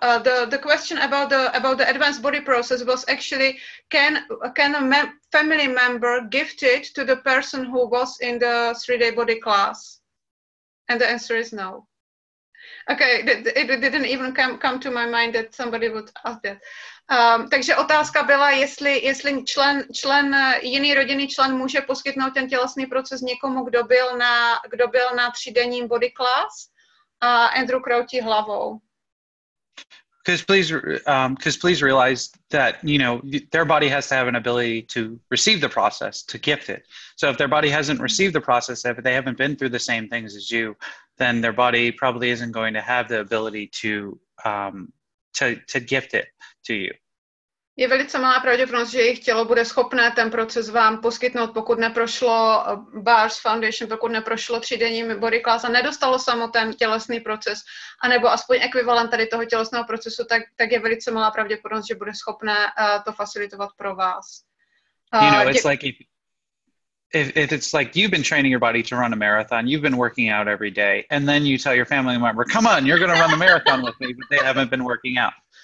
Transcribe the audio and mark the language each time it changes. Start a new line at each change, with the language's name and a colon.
English: The question about the advanced body process was actually can a family member gift it to the person who was in the 3-day body class? And the answer is no. Okay, it didn't even come to my mind that somebody would ask that.
Czech: Takže otázka byla, jestli člen jiný rodinný člen může poskytnout ten tělesný proces někomu, kdo byl na třídenním body class. A Andrew kroutí hlavou.
English: Because please realize that, you know, their body has to have an ability to receive the process, to gift it. So if their body hasn't received the process, if they haven't been through the same things as you, then their body probably isn't going to have the ability to gift it to you.
Czech: Je velice malá pravděpodobnost, že jejich tělo bude schopné ten proces vám poskytnout, pokud neprošlo Bars Foundation, pokud neprošlo třídenní body class a nedostalo samo ten tělesný proces, anebo aspoň ekvivalent tady toho tělesného procesu, tak je velice malá pravděpodobnost, že bude schopné to facilitovat pro vás.
English: If it's like you've been training your body to run a marathon, you've been working out every day, and then you tell your family member, come on, you're going to run the marathon with me, but they haven't been working out.